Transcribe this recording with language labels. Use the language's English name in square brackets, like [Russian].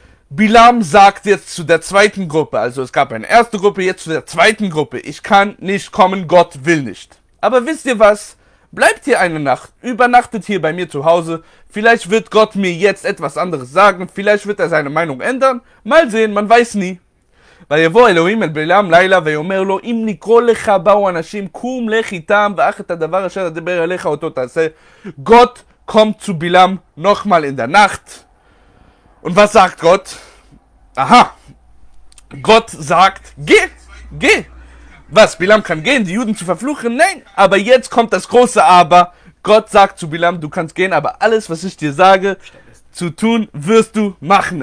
[German] Bilam sagt jetzt zu der zweiten Gruppe, also es gab eine erste Gruppe, jetzt zu der zweiten Gruppe: Ich kann nicht kommen, Gott will nicht. Aber wisst ihr was? Bleibt hier eine Nacht, übernachtet hier bei mir zu Hause. Vielleicht wird Gott mir jetzt etwas anderes sagen, vielleicht wird er seine Meinung ändern. Mal sehen, man weiß nie. [Hebrew] ויבוא אלוהים אל בלעם לילה ויאמר לו אם נקרא לך באו אנשים קום לך איתם ואך את הדבר אשר אדבר אליך אותו תעשה. [German] Gott kommt zu Bilam nochmal in der Nacht. Und was sagt Gott? Aha. Gott sagt: Geh, geh. Was, Bilam kann gehen, die Juden zu verfluchen? Nein, aber jetzt kommt das große Aber. Gott sagt zu Bilam: Du kannst gehen, aber alles, was ich dir sage zu tun, wirst du machen.